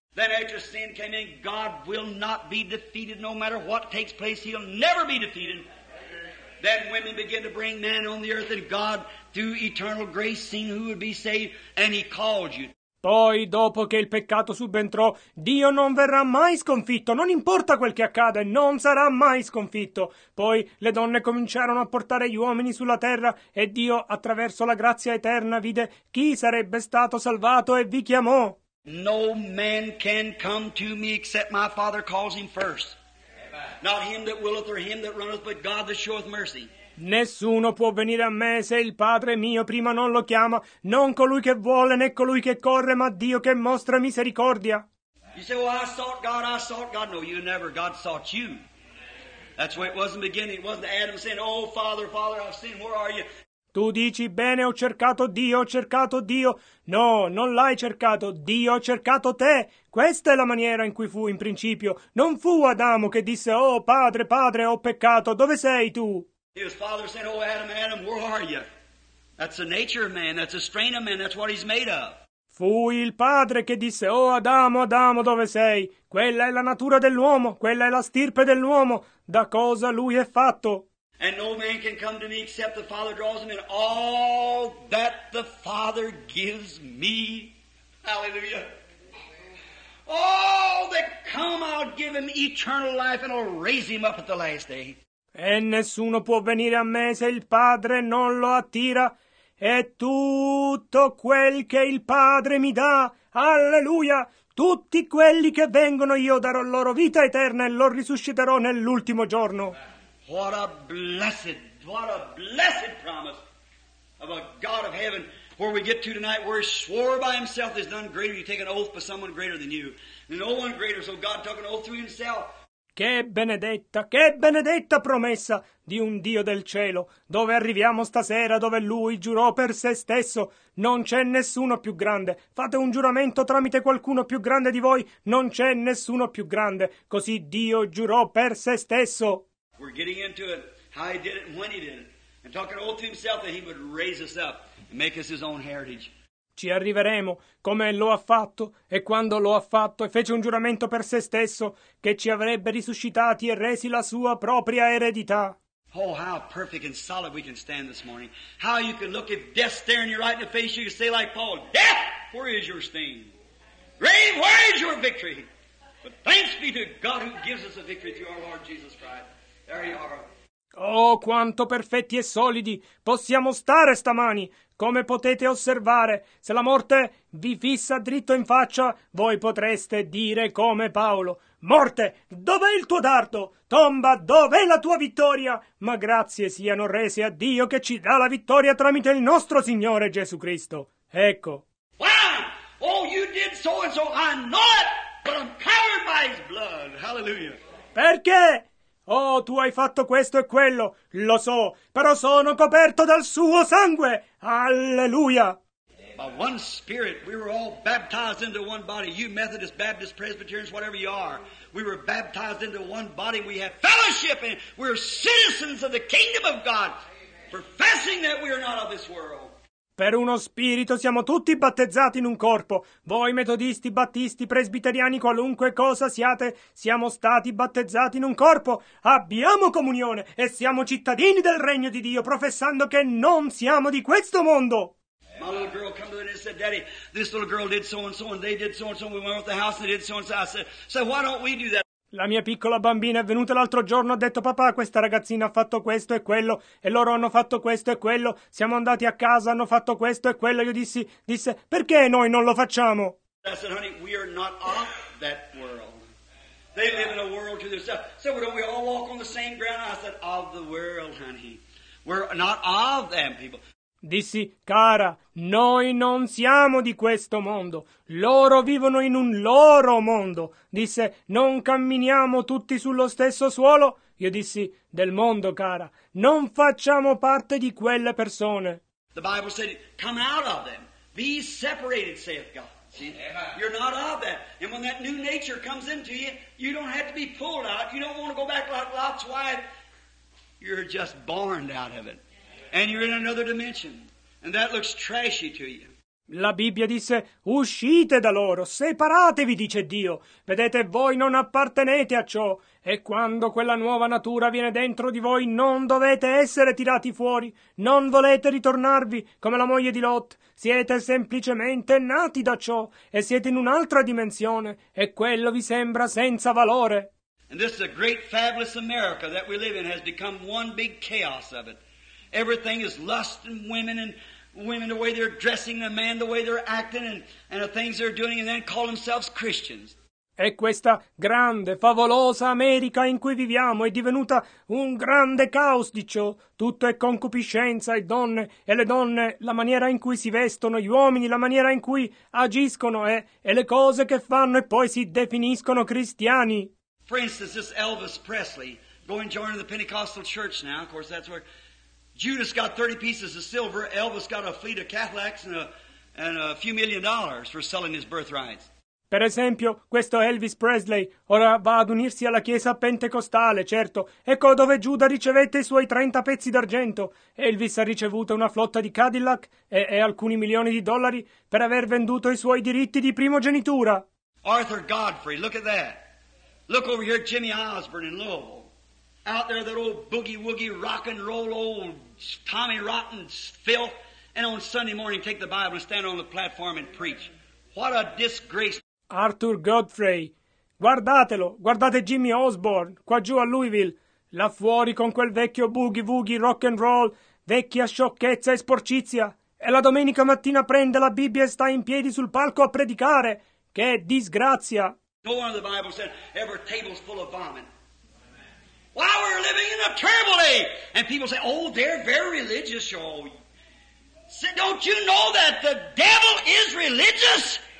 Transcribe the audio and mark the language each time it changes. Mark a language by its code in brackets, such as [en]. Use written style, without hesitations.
[en] Then after sin came in, God will not be defeated no matter what takes place. He'll never be defeated. Then women began to bring man on the earth, and God, through eternal grace, seen who would be saved, and He called you. [it] Poi, dopo che il peccato subentrò, Dio non verrà mai sconfitto, non importa quel che accade, non sarà mai sconfitto. Poi le donne cominciarono a portare gli uomini sulla terra e Dio, attraverso la grazia eterna, vide chi sarebbe stato salvato e vi chiamò. [en] No man can come to me except my Father calls him first. Not him that willeth or him that runneth, but God that showeth mercy. [it] Nessuno può venire a me se il Padre mio prima non lo chiama, non colui che vuole né colui che corre, ma Dio che mostra misericordia. [en] You say, well, I sought God, I sought God. No, you never. God sought you. That's where it was in the beginning. It wasn't Adam saying, oh, Father, Father, I've sinned, where are you? [it] Tu dici, bene, ho cercato Dio. No, non l'hai cercato, Dio ha cercato te. Questa è la maniera in cui fu in principio. Non fu Adamo che disse, oh, Padre, Padre, ho peccato, dove sei tu? [en] His father said, oh, Adam, Adam, where are you? That's the nature of man, that's the strain of man, that's what he's made of. [it] Fu il padre che disse, oh, Adamo, Adamo, dove sei? Quella è la natura dell'uomo, quella è la stirpe dell'uomo. Da cosa lui è fatto? [en] And no man can come to me except the Father draws him in. All that the Father gives me, hallelujah, all that come, I'll give him eternal life and I'll raise him up at the last day. [it] E nessuno può venire a me se il Padre non lo attira. E tutto quel che il Padre mi dà, alleluia, tutti quelli che vengono io darò loro vita eterna e lo risusciterò nell'ultimo giorno. [en] What a blessed promise of a God of heaven where we get to tonight, where he swore by himself is none greater. You take an oath by someone greater than you. And no one greater, so God took an oath through himself. [it] Che benedetta promessa di un Dio del cielo, dove arriviamo stasera, dove lui giurò per se stesso. Non c'è nessuno più grande. Fate un giuramento tramite qualcuno più grande di voi. Non c'è nessuno più grande. Così Dio giurò per se stesso. [en] We're getting into it, how he did it and when he did it, and talking all to himself that he would raise us up and make us his own heritage. [it] Ci arriveremo, come lo ha fatto e quando lo ha fatto e fece un giuramento per se stesso che ci avrebbe risuscitati e resi la sua propria eredità. [en] Oh, how perfect and solid we can stand this morning. How you can look if death's staring you right in the face, you can say like Paul, death, where is your sting? Grave, where is your victory? But thanks be to God who gives us a victory through our Lord Jesus Christ. There you are. [it] Oh, quanto perfetti e solidi possiamo stare stamani. Come potete osservare, se la morte vi fissa dritto in faccia, voi potreste dire come Paolo. Morte, dov'è il tuo dardo? Tomba, dov'è la tua vittoria? Ma grazie siano rese a Dio che ci dà la vittoria tramite il nostro Signore Gesù Cristo. Ecco. [en] Wow! Oh, you did so and so. I know it, but I'm covered by his blood. Hallelujah. [it] Perché? Oh, tu hai fatto questo e quello, lo so, però sono coperto dal suo sangue. Alleluia! [en] By one spirit, we were all baptized into one body. You Methodists, Baptists, Presbyterians, whatever you are. We were baptized into one body. We have fellowship and we're citizens of the kingdom of God. Professing that we are not of this world. [it] Per uno spirito siamo tutti battezzati in un corpo. Voi metodisti, battisti, presbiteriani, qualunque cosa siate, siamo stati battezzati in un corpo. Abbiamo comunione e siamo cittadini del regno di Dio, professando che non siamo di questo mondo. [en] My little girl come to me and said, Daddy, this little girl did so and so and they did so and so. We went out the house and they did so and so. I said, so why don't we do that? [it] La mia piccola bambina è venuta l'altro giorno e ha detto, papà, questa ragazzina ha fatto questo e quello, e loro hanno fatto questo e quello, siamo andati a casa, hanno fatto questo e quello. Io disse, perché noi non lo facciamo? [en] I said, honey, we are not of that world. They live in a world to themselves. So don't we all walk on the same ground? I said, of the world, honey. We're not of them, people. [it] Dissi, cara, noi non siamo di questo mondo. Loro vivono in un loro mondo. Disse, non camminiamo tutti sullo stesso suolo. Io dissi, del mondo, cara, non facciamo parte di quelle persone. [en] The Bible said, come out of them. Be separated, saith God. See, you're not of them. And when that new nature comes into you, you don't have to be pulled out. You don't want to go back like Lot's wife. You're just born out of it. And you're in another dimension, and that looks trashy to you. [it] La Bibbia disse, uscite da loro, separatevi, dice Dio. Vedete, voi non appartenete a ciò. E quando quella nuova natura viene dentro di voi, non dovete essere tirati fuori. Non volete ritornarvi, come la moglie di Lot. Siete semplicemente nati da ciò, e siete in un'altra dimensione, e quello vi sembra senza valore. [en] And this is a great, fabulous America that we live in has become one big chaos of it. Everything is lust and women the way they're dressing, the man the way they're acting, and the things they're doing, and then call themselves Christians. [it] E questa grande, favolosa America in cui viviamo è divenuta un grande caos di ciò. Tutto è concupiscenza, e donne e le donne, la maniera in cui si vestono, gli uomini, la maniera in cui agiscono e le cose che fanno e poi si definiscono cristiani. [en] For instance, this Elvis Presley going to join the Pentecostal church now. Of course, that's where Judas got 30 pieces of silver. Elvis got a fleet of Cadillacs and a few million dollars for selling his birthrights. [it] Per esempio, questo Elvis Presley ora va ad unirsi alla chiesa pentecostale, certo. Ecco dove Giuda ricevette i suoi 30 pezzi d'argento. Elvis ha ricevuto una flotta di Cadillac e alcuni milioni di dollari per aver venduto i suoi diritti di primogenitura. [en] Arthur Godfrey, look at that. Look over here at Jimmy Osborne in Louisville. Out there, that old boogie-woogie rock and roll old Tommy Rotten filth. And on Sunday morning, take the Bible and stand on the platform and preach. What a disgrace. [it] Arthur Godfrey, guardatelo, guardate Jimmy Osborne, qua giù a Louisville, là fuori con quel vecchio boogie-woogie rock and roll, vecchia sciocchezza e sporcizia, e la domenica mattina prende la Bibbia e sta in piedi sul palco a predicare. Che disgrazia! [en] No one of the Bible said ever tables full of vomit. Why, we're living in a terrible age! And people say, oh, they're very religious, y'all. Say, don't you know that the devil is religious?